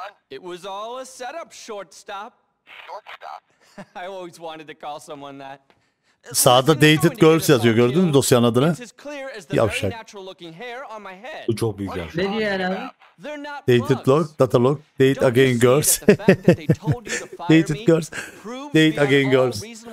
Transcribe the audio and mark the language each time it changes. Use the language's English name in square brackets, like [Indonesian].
[English] It was all a setup, shortstop. I always wanted to call someone that. [Turkish] Sağda [English] dated girls [Turkish] yazıyor, gördün mü dosyanın adını? Yavşak. Bu çok büyük yavşak. Ne diyor abi? [English] Dated log, data log, date again girls. Dated girls, date again girls.